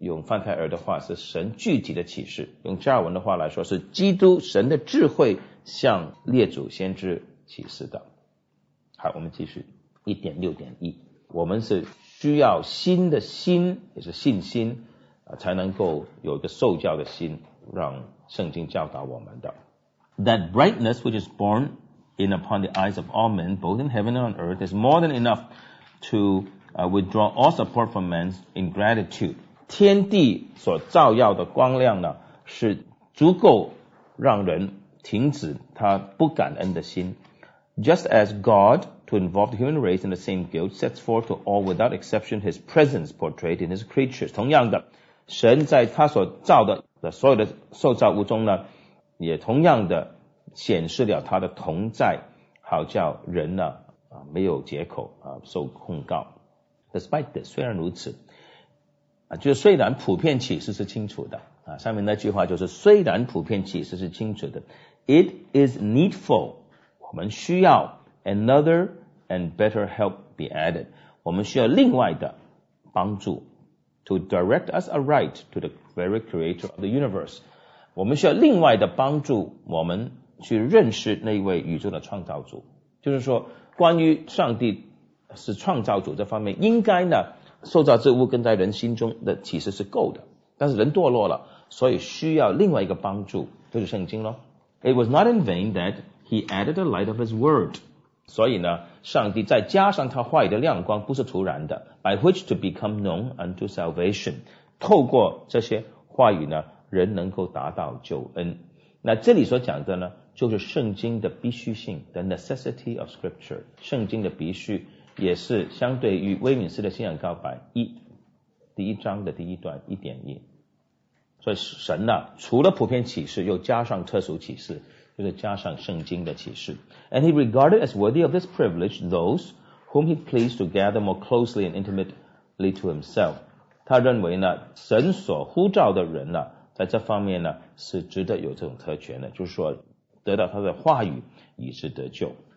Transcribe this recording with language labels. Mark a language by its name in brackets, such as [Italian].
[Chinese] 用范泰尔的话是神具体的启示，用加尔文的话来说是基督神的智慧向列祖先知启示的。好，我们继续 1.6.1。我们是需要新的心，也是信心啊，才能够有一个受教的心，让圣经教导我们的。 [English] That brightness which is born in upon the eyes of all men, both in heaven and on earth, is more than enough to withdraw all support from man's ingratitude. [Chinese] 天地所照耀的光亮呢，是足够让人停止他不感恩的心。 [English] Just as God, to involve the human race in the same guilt, sets forth to all without exception his presence portrayed in his creatures. [Chinese] 同样的，神在他所造的所有的受造物中呢，也同样的显示了他的同在，好叫人呢啊没有借口啊受控告。 [English] Despite this, [Chinese] 虽然如此啊，就虽然普遍启示是清楚的啊，上面那句话就是虽然普遍启示是清楚的 ， [English] It is needful. [Chinese] 我们需要 [English] another and better help be added. [Chinese] 我们需要另外的帮助。 [English] To direct us aright to the very creator of the universe. [Chinese] 我们需要另外的帮助，我们去认识那位宇宙的创造主。就是说关于上帝是创造主这方面，应该呢受造之物跟在人心中的启示是够的。但是人堕落了，所以需要另外一个帮助，就是圣经咯。 [English] It was not in vain that he added the light of his word. [Chinese] 所以呢上帝再加上他话语的亮光，不是突然的。 [English] By which to become known unto salvation. [Chinese] 透过这些话语呢，人能够达到救恩。那这里所讲的呢，就是圣经的必须性 , [English] the necessity of scripture, [Chinese] 圣经的必须，也是相对于威敏斯的信仰告白一第一章的第一段 1.1。所以神呢，除了普遍启示，又加上特殊启示，就是加上圣经的启示。 [English] And he regarded as worthy of this privilege those whom he pleased to gather more closely and intimately to himself. [Chinese] 他认为呢，神所呼召的人呢，在这方面呢是值得有这种特权的，就是说得到他的话语以致得救。